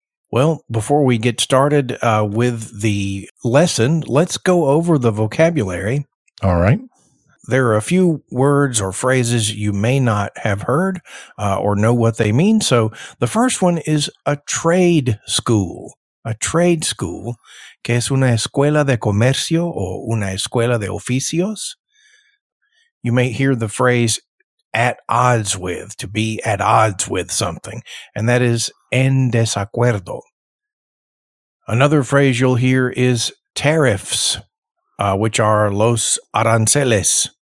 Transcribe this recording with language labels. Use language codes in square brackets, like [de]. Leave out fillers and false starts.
[en] Well, before we get started with the lesson, let's go over the vocabulary. All right. There are a few words or phrases you may not have heard or know what they mean. So the first one is a trade school. A trade school, [es] que es una escuela de comercio o una escuela de oficios. [en] You may hear the phrase at odds with, to be at odds with something, and that is [es] en desacuerdo. [en] Another phrase you'll hear is tariffs, which are [es] los aranceles.